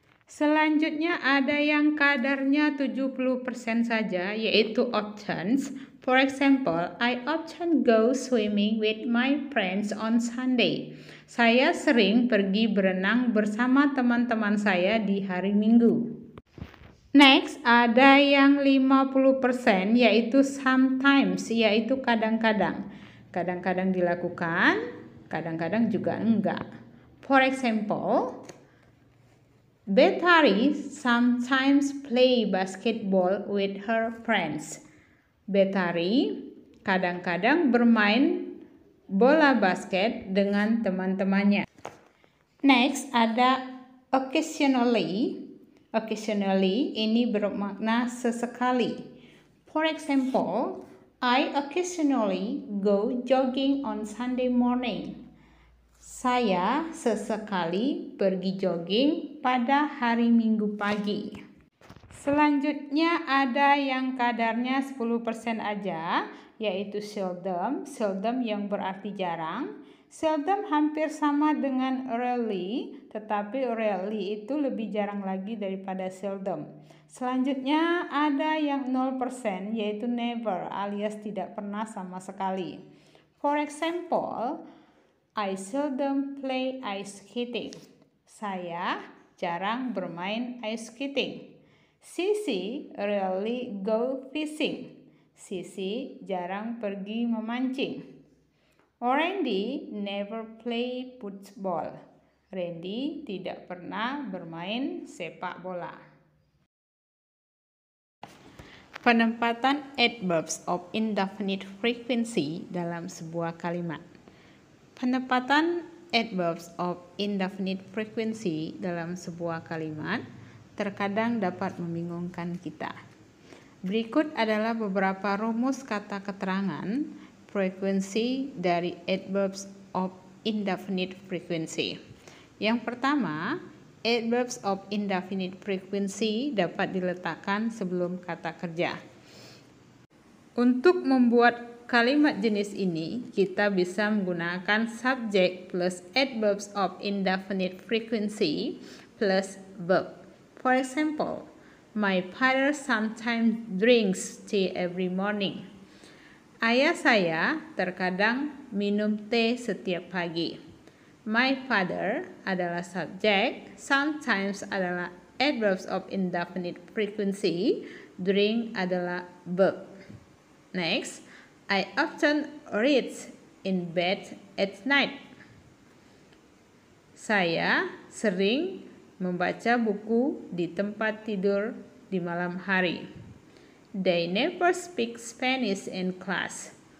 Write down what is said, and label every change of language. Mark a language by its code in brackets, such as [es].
[id] Selanjutnya ada yang kadarnya 70% saja, yaitu options. [en] For example, I often go swimming with my friends on Sunday. [id] Saya sering pergi berenang bersama teman-teman saya di hari Minggu. Next, ada yang 50%, yaitu sometimes, yaitu kadang-kadang. Kadang-kadang dilakukan, kadang-kadang juga enggak. [en] For example, Betari sometimes play basketball with her friends. [id] Betari kadang-kadang bermain bola basket dengan teman-temannya. Next ada occasionally. Occasionally ini bermakna sesekali. [en] For example, I occasionally go jogging on Sunday morning. [id] Saya sesekali pergi jogging pada hari Minggu pagi. Selanjutnya ada yang kadarnya 10% aja, yaitu seldom. Seldom yang berarti jarang. Seldom hampir sama dengan rarely, tetapi rarely itu lebih jarang lagi daripada seldom. Selanjutnya ada yang 0%, yaitu never, alias tidak pernah sama sekali. [en] For example, I seldom play ice skating. [id] Saya jarang bermain ice skating. [en] Sissy rarely go fishing. [id] Sissy jarang pergi memancing. [en] Randy never play football. [id] Randy tidak pernah bermain sepak bola. Penempatan adverbs of indefinite frequency dalam sebuah kalimat. Penempatan adverbs of indefinite frequency dalam sebuah kalimat terkadang dapat membingungkan kita. Berikut adalah beberapa rumus kata keterangan frequency dari adverbs of indefinite frequency. Yang pertama, adverbs of indefinite frequency dapat diletakkan sebelum kata kerja. Untuk membuat kalimat jenis ini, kita bisa menggunakan subject plus adverbs of indefinite frequency plus verb. [en] For example, my father sometimes drinks tea every morning. [id] Ayah saya terkadang minum teh setiap pagi. My father adalah subject, sometimes adalah adverbs of indefinite frequency, drink adalah verb. [en] Next, I often read in bed at night. [id] Saya sering membaca buku di tempat tidur di malam hari. [en] They never speak Spanish in class.